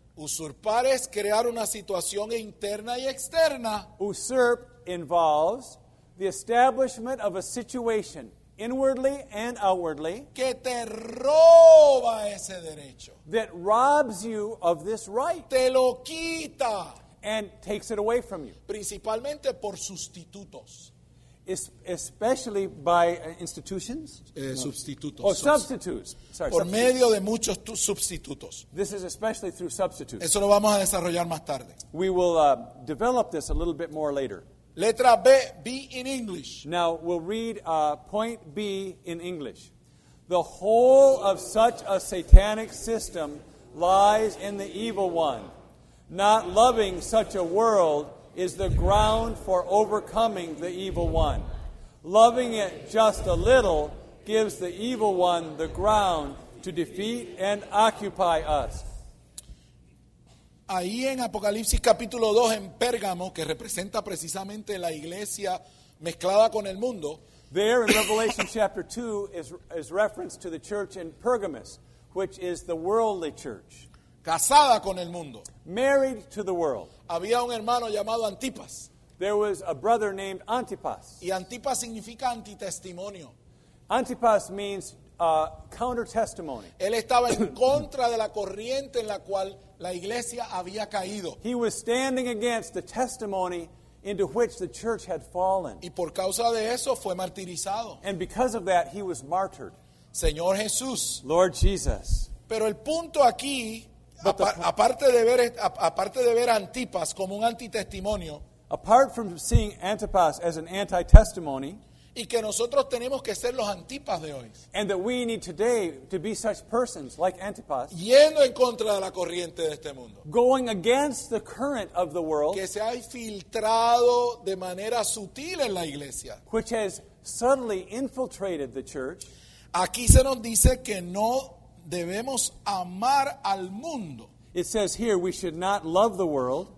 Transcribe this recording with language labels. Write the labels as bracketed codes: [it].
[es] Usurpar es crear una situación interna y externa. [en] Usurp involves the establishment of a situation inwardly and outwardly [es] que te roba ese derecho. [en] That robs you of this right. [es] Te lo quita. [en] And takes it away from you. [es] Principalmente por sustitutos. [en] Especially by institutions? [es] Substitutos. [en] Oh, substitutes. Sorry, [es] por [en] substitutes. [es] Medio de muchos sustitutos. [en] This is especially through substitutes. [es] Eso lo vamos a desarrollar más tarde. [en] We will develop this a little bit more later. [es] Letra B, [en] B in English. Now, we'll read point B in English. The whole of such a satanic system lies in the evil one. Not loving such a world is the ground for overcoming the evil one. Loving it just a little gives the evil one the ground to defeat and occupy us. [es] Ahí en Apocalipsis capítulo 2 en Pérgamo, que representa precisamente la iglesia mezclada con el mundo. [en] There in Revelation chapter 2 is reference to the church in Pergamos, which is the worldly church. [es] Casada con el mundo. [en] Married to the world. [es] Había un hermano llamado Antipas. [en] There was a brother named Antipas. [es] Y Antipas significa antitestimonio. [en] Antipas means counter-testimony. [es] Él estaba en contra de la corriente en la cual la iglesia había caído. [en] He was standing against the testimony into which the church had fallen. [es] Y por causa de eso fue martirizado. [en] And because of that, he was martyred. [es] Señor Jesús. [en] Lord Jesus. [es] Pero el punto aquí, aparte de ver Antipas como un antitestimonio, [en] apart from seeing Antipas as an anti-testimony, [es] y que nosotros tenemos que ser los Antipas de hoy. [en] And that we need today to be such persons like Antipas. [es] Yendo en contra de la corriente de este mundo. [en] Going against the current of the world. [es] Que se ha infiltrado de manera sutil en la iglesia. [en] Which has subtly infiltrated the church. [es] Aquí se nos dice que no debemos amar al mundo. [en] It says here we should not love the world.